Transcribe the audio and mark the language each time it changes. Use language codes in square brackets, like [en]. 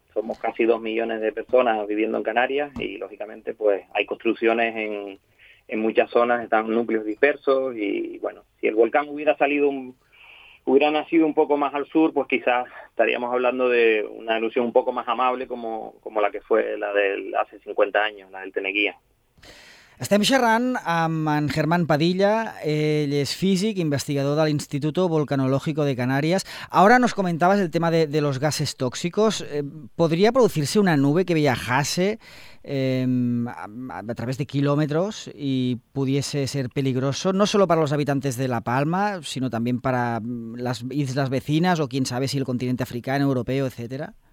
[ca] Somos casi 2 millones de personas viviendo en Canarias y, lógicamente, pues hay construcciones en muchas zonas, están núcleos dispersos y, bueno, si el volcán hubiera nacido un poco más al sur, pues quizás estaríamos hablando de una erupción un poco más amable como la que fue la del hace 50 años, la del Teneguía. Estem xerrant amb en Germán Padilla, ell és físic, investigador de l'Instituto Volcanológico de Canarias. [es] Ahora nos comentabas el tema de los gases tóxicos. ¿Podría producirse una nube que viajase a través de kilómetros y pudiese ser peligroso, no solo para los habitantes de La Palma, sino también para las islas vecinas o quién sabe si el continente africano, europeo, etcétera?